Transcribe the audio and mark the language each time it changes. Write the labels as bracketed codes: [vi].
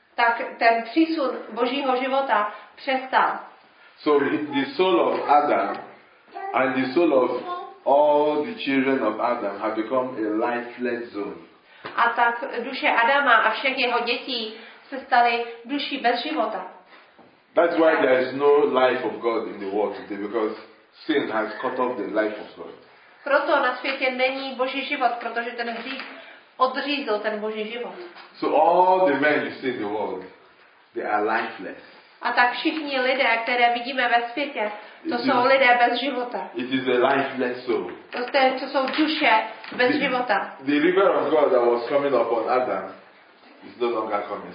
[cs] Tak ten přísun Božího života přestal. [en] So the soul of Adam and the soul of all the children of Adam have become a lifeless zone. [cs] A tak duše Adama a všech jeho dětí se staly duší bez života. [en] That's why there is no life of God in the world today, because sin has cut off the life of God. [cs] Proto na světě není Boží život, protože ten hřích odřízl ten Boží život. [en] So all the men you see in the world, they are lifeless. [cs] A tak všichni lidé, které vidíme ve světě, to jsou lidé bez života. [en] It is a lifeless soul. [cs] To jsou duše bez života. [en] The river of God that was coming upon Adam is no longer coming.